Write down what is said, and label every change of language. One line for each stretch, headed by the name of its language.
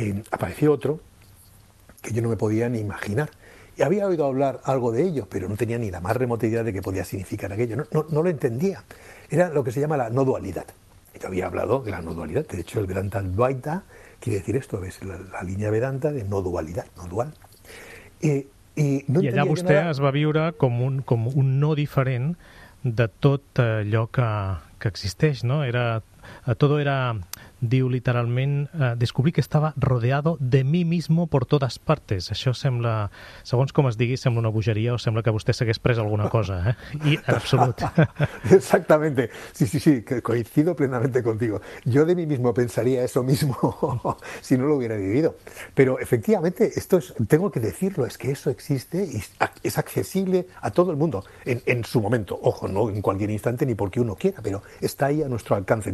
Spanish: Apareció otro que yo no me podía ni imaginar. Y había oído hablar algo de ello, pero no tenía ni la más remota idea de qué podía significar aquello. No lo entendía. Era lo que se llama la no dualidad. Yo había hablado de la no dualidad. De hecho, el Vedanta Advaita quiere decir esto, ves la línea Vedanta de no dualidad, no dual.
Catalan: I allà vostè es va viure com un no diferent de tot allò que existeix, no? Era, tot era, diu literalment, descobrir que estava
Spanish: rodeado de mi mismo
Catalan: por totes partes. Això sembla, segons com es digui, sembla una bogeria o sembla que vostè s'hagués pres alguna cosa, eh? I en absolut.
Spanish: Exactamente. Sí, sí, sí, coincido plenamente contigo. Yo de mí mismo pensaría eso mismo si no lo hubiera vivido. Pero efectivamente, esto es, tengo que decirlo, es que eso existe y es accesible a todo el mundo en su momento. Ojo, no en cualquier instante ni porque uno quiera, pero está ahí a nuestro alcance.